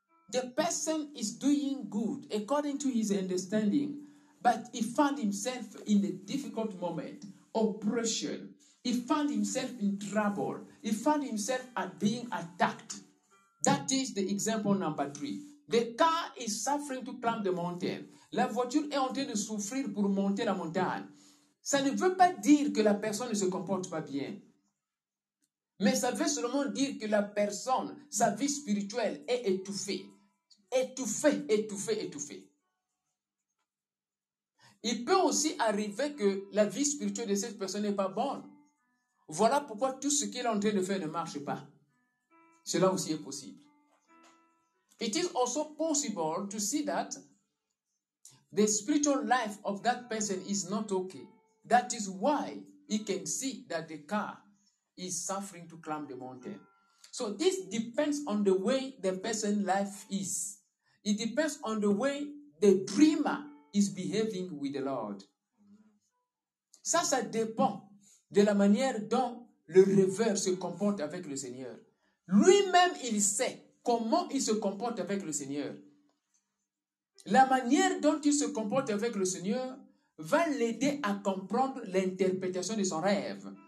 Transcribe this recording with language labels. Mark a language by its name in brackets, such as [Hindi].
[English] The person is doing good according to his understanding, but he found himself in a difficult moment, oppression. He found himself in trouble. He found himself at being attacked. That is the example number three. The car is suffering to climb the mountain. [French] La voiture est en train de souffrir pour monter la montagne. Ça ne veut pas dire que la personne ne se comporte pas bien. Mais ça veut seulement dire que la personne, sa vie spirituelle est étouffée. Étouffée. Il peut aussi arriver que la vie spirituelle de cette personne n'est pas bonne. Voilà pourquoi tout ce qu'il est en train de faire ne marche pas. Cela aussi est possible. [English] It is also possible to see that the spiritual life of that person is not okay. That is why he can see that the car is suffering to climb the mountain. So this depends on the way the person's life is. It depends on the way the dreamer is behaving with the Lord. [French] Ça, ça dépend de la manière dont le rêveur se comporte avec le Seigneur. Lui-même, il sait comment il se comporte avec le Seigneur. La manière dont il se comporte avec le Seigneur va l'aider à comprendre l'interprétation de son rêve.